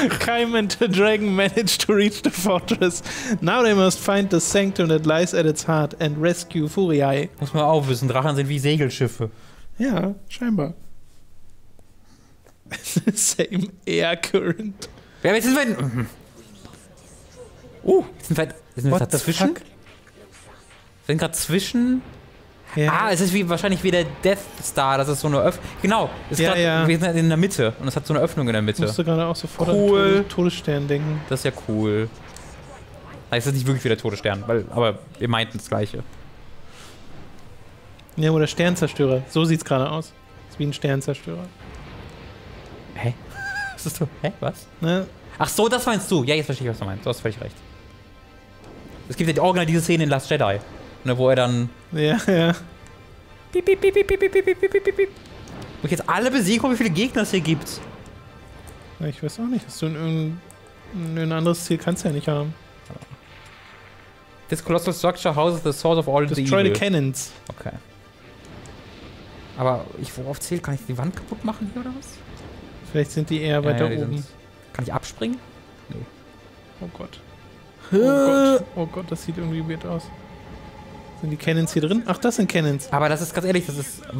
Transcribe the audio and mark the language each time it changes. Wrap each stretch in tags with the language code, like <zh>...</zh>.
<en>Kaim and the Dragon managed to reach the fortress. Now they must find the sanctum that lies at its heart and rescue Furiae.</en> <de>Muss man auch wissen, Drachen sind wie Segelschiffe. Ja, scheinbar.</de> <en>Same air current.</en> <de>Ja, jetzt sind wir. Jetzt sind wir dazwischen. Wir sind gerade zwischen. Ja. Ah, es ist wie, wahrscheinlich wie der Death Star, das ist so eine Öffnung. Genau, es ist wir sind in der Mitte und es hat so eine Öffnung in der Mitte. Musst du gerade auch sofort cool. an Todesstern denken. Das ist ja cool. Es ist nicht wirklich wie der Todesstern, aber wir meinten das Gleiche. Ja, oder Sternzerstörer. So sieht's gerade aus. Ist wie ein Sternzerstörer. Hä? Was ist so? Hä? Was? Ne? Ach so, das meinst du. Ja, jetzt verstehe ich, was du meinst. Du hast völlig recht. Es gibt ja die Original diese Szene in Last Jedi. Ne, wo er dann. Ja, ja. Piep, piep, piep, piep, piep, piep, piep, piep, piep, piep. Wo ich jetzt alle besiege, wie viele Gegner es hier gibt. Ich weiß auch nicht. Hast du ein anderes Ziel kannst du ja nicht haben.</de> <en>This colossal structure houses the source of all the evil. Destroy the cannons.</en> <de>Okay. Aber worauf zählt? Kann ich die Wand kaputt machen hier oder was? Vielleicht sind die eher weiter oben. Kann ich abspringen? Nee. Oh Gott. Oh Gott, das sieht irgendwie weird aus. Sind die Cannons hier drin? Ach, das sind Cannons. Aber das ist ganz ehrlich, das ist.</de>